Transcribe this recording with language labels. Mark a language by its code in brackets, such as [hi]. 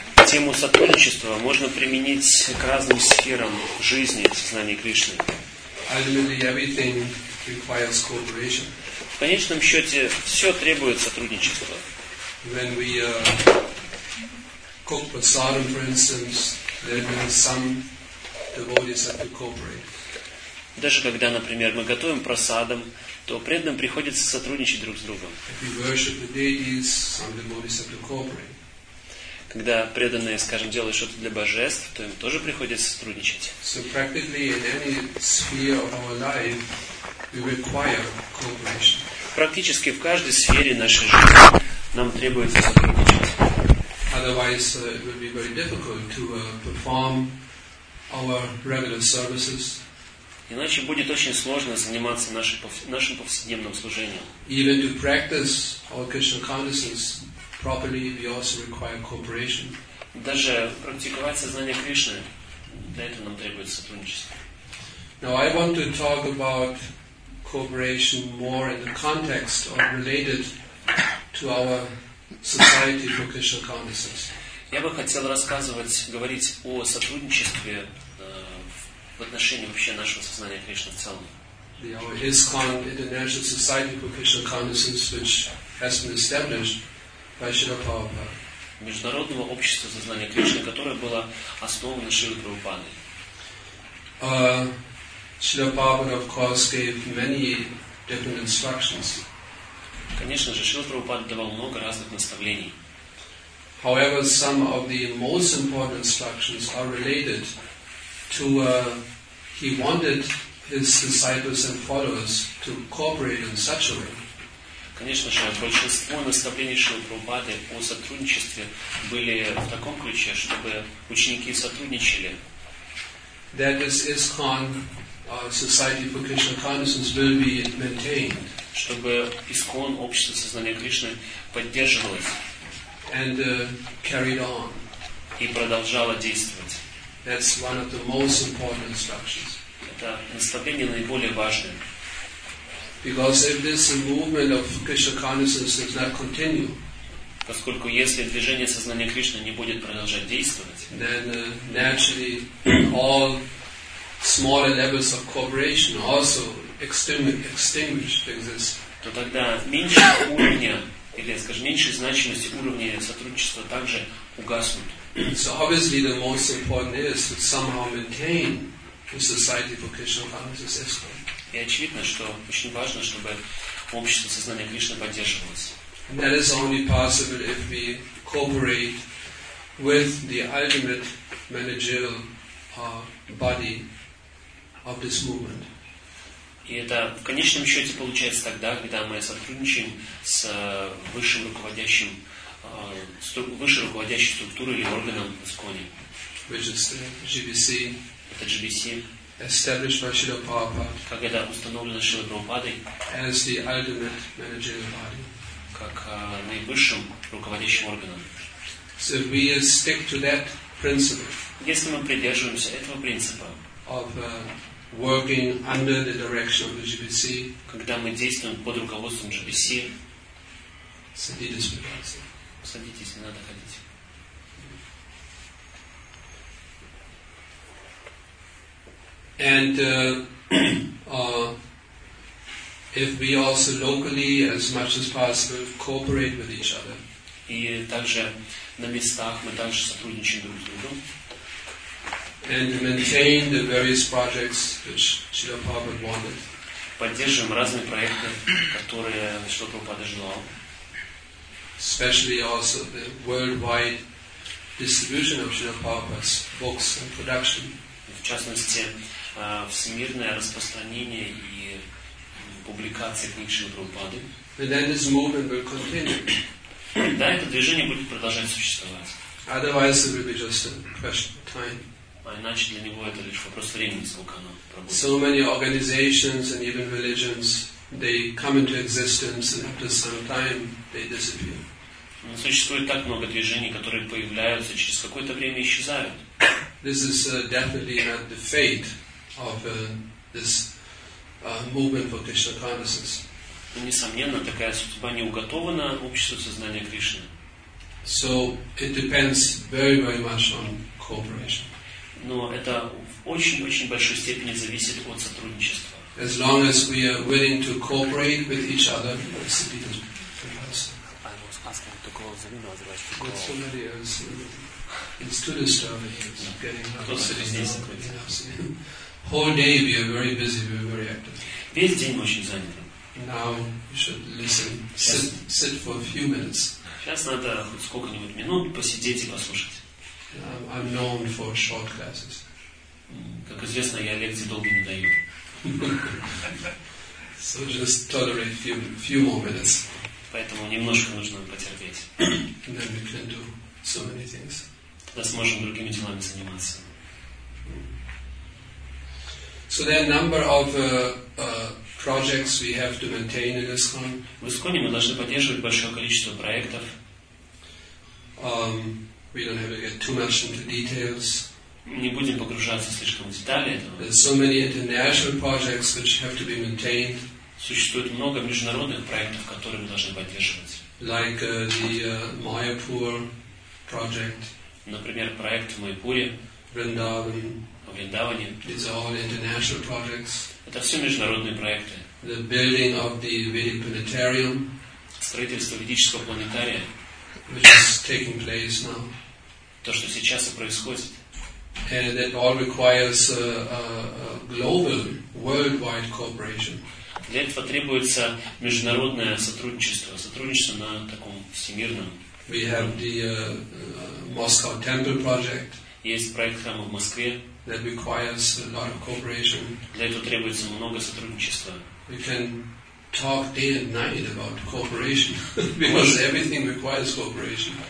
[ru] Тему сотрудничества можно применить к разным сферам жизни сознания Кришны. В конечном счете, все требует сотрудничества. [en] When we cook prasadam, for instance, there will be some devotees that have to cooperate. [ru] Даже когда, например, мы готовим прасадам, то преданным приходится сотрудничать друг с другом. [en] If we worship the deities, some devotees have to cooperate. [ru] Когда преданные, скажем, делают что-то для божеств, то им тоже приходится сотрудничать. [en] So practically in any sphere of our life, we require cooperation. [ru] Практически в каждой сфере нашей жизни нам требуется сотрудничать. [en] Otherwise, it would be very difficult to perform our regular services. [ru] Иначе будет очень сложно заниматься нашим повседневным служением. [en] Even to practice our Krishna consciousness properly, we also require cooperation. [ru] Даже практиковать сознание Кришны, для этого нам требуется сотрудничество. [en] Now I want to talk about cooperation more in the context or related to our society for Krishna consciousness. [ru] Я бы хотел говорить о сотрудничестве в отношении вообще нашего сознания Кришны в целом. [en] The ISKCON, International Society for Krishna Consciousness, which has been established by Śrīla Prabhupāda. [ru] Международного общества сознания Кришны, которое было основано Шрилой Прабхупадой. [en] Śrīla Prabhupāda, of course, gave many different instructions. [ru] Конечно же, Шрила Прабхупада давал много разных наставлений. [en] However, some of the most important instructions are related to he wanted his disciples and followers to cooperate in such a way. [ru] Конечно же, большинство наставлений Шрилы Прабхупады о сотрудничестве были в таком ключе, чтобы ученики сотрудничали. [en] That is ISKCON, Society for Krishna Consciousness will be maintained. [ru] Чтобы ISKCON, общество сознания Кришны, поддерживалось. [en] And carried on. [ru] И продолжало действовать. [en] That's one of the most important instructions. [ru] Это наставление наиболее важное. [en] Because if this movement of Krishna consciousness does not continue, [ru] поскольку если движение сознания Кришны не будет продолжать действовать, [en] then naturally all smaller levels of cooperation also extinguished exist. [ru] То тогда меньше уровня или, скажем, меньше значимости уровня сотрудничества также угаснут. [en] So obviously the most important is to somehow maintain the society for Krishna consciousness. [ru] И очевидно, что очень важно, чтобы общество сознания Кришны поддерживалось. [en] And that is only possible if we cooperate with the ultimate managerial body of this movement. [ru] И это в конечном счете получается тогда, когда мы сотрудничаем с высшей руководящей структурой или органом ISKCON-и. [en] Which is the GBC. [ru] Это GBC. [en] Established by Śrīla Prabhupāda. [ru] Как это установлено Шрилой Прабхупадой? [en] As the ultimate managerial body. [ru] Как наивысшим руководящим органом. [en] So we stick to that principle. [ru] Если мы придерживаемся этого принципа. [en] Of working under the direction of the GBC. [ru] Когда мы действуем под руководством GBC. Садитесь, пожалуйста. Садитесь, не надо ходить. [en] And if we also locally, as much as possible, cooperate with each other. [ru] И также на местах мы также сотрудничаем друг с другом. [en] And maintain the various projects which Śrīla Prabhupāda wanted. [ru] Поддерживаем разные проекты, которые Śrīla Prabhupāda желал. [en] Especially also the worldwide distribution of Śrīla Prabhupāda's books and production. [ru] В частности, всемирное распространение и публикации книг Шрилы Прабхупады. Да, это движение будет продолжать существовать. А иначе для него это лишь вопрос времени, сколько оно пробудет. [en] So many organizations and even religions, they come into existence and after some time they disappear. [ru] Но существует так много движений, которые появляются через какое-то время и исчезают. [en] This is definitely not the fate of this movement for Krishna consciousness. [ru] Несомненно, такая судьба не уготована обществу сознания Кришны. [en] So it depends very, very much on cooperation. [ru] Но это в очень-очень большой степени зависит от сотрудничества. [en] As long as we are willing to cooperate with each other, it's a bit I was asking to call the window, otherwise to call. But somebody is, it's too disturbing, it's getting out of the Whole day we are very busy, we are very active. [ru] Весь день очень занят. [en] Now you should listen, sit for a few minutes. [ru] Сейчас надо хоть сколько-нибудь минут посидеть и послушать. [en] I'm known for short classes. [ru] Как известно, я лекции долго не даю. [en] So just tolerate few more minutes. [ru] Поэтому немножко нужно потерпеть. [en] And then we can do so many things. [ru] Тогда сможем другими делами заниматься. [en] So there are a number of projects we have to maintain in ISKCON. [ru] В ISKCON мы должны поддерживать большое количество проектов. [en] We don't have to get too much into details. [ru] Не будем погружаться слишком в детали этого. [en] There's so many international projects which have to be maintained. [ru] Существует много международных проектов, которые мы должны поддерживать. [en] Like the Mayapur project. [ru] Например, проект в Майпуре. [en] Vrindavan. [ru] В Вриндаване. [en] These are all international projects. [ru] Это все международные проекты. [en] The building of the Vedic Planetarium. [ru] Строительство ведического планетария. [en] Which is taking place now. [ru] То, что сейчас и происходит. [en] And that all requires a global, worldwide cooperation. [ru] Для этого требуется международное сотрудничество, сотрудничество на таком всемирном. [en] We have the Moscow Temple project. [ru] Есть проект храма в Москве. [en] That requires a lot of cooperation. [ru] Для этого требуется много сотрудничества. [en] We can talk day and night about cooperation because everything requires cooperation.